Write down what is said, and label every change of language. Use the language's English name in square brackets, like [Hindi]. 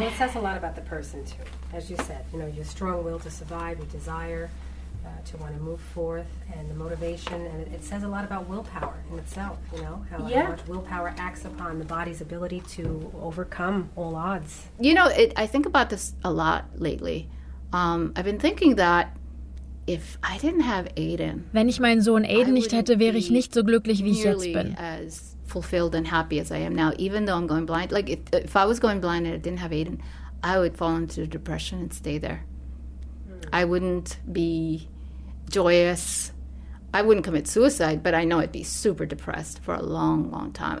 [English] Well, it says a lot about the person, too. As you said, you know, your strong will to survive, your desire to want to move forth, and the motivation, and it says a lot about willpower in itself, you know, how much willpower acts upon the body's ability to overcome all odds. You know, I think about this a lot lately. I've been thinking that if I didn't have Aiden, [German] wenn ich meinen Sohn Aiden nicht hätte, wäre ich nicht so glücklich, wie ich jetzt bin. [English] As fulfilled and happy as I am now, even though I'm going blind. Like, if I was going blind and I didn't have Aiden, I would fall into depression and stay there. I wouldn't be joyous. I wouldn't commit suicide, but I know I'd be super depressed for a long, long time.